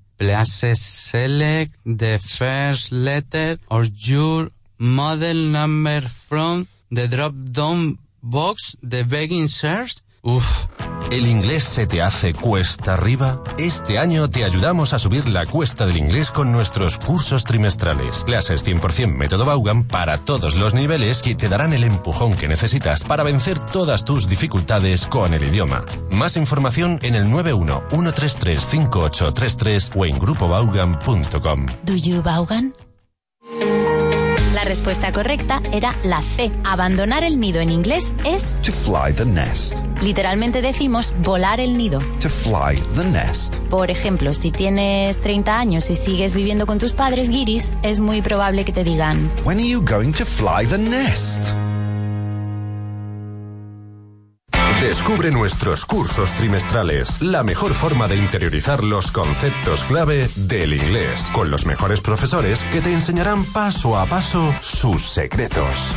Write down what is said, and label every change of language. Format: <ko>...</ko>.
<en>Please select the first letter of your model number from the drop-down box, the begging search.</en> <es>Uf. ¿El inglés se te hace cuesta arriba? Este año te ayudamos a subir la cuesta del inglés con nuestros cursos trimestrales. Clases 100% método Vaughan para todos los niveles que te darán el empujón que necesitas para vencer todas tus dificultades con el idioma. Más información en el 91-133-5833 o en grupobaughan.com.</es> <en>¿Do you Vaughan?</en> <es>respuesta correcta era la C. Abandonar el nido en inglés es...</es> <en>To fly the nest.</en> <es>Literalmente decimos volar el nido.</es> <en>To fly the nest.</en> <es>Por ejemplo, si tienes 30 años y sigues viviendo con tus padres, guiris, es muy probable que te digan...</es> <en>When are you going to fly the nest?</en> <es>Descubre nuestros cursos trimestrales, la mejor forma de interiorizar los conceptos clave del inglés, con los mejores profesores que te enseñarán paso a paso sus secretos.</es>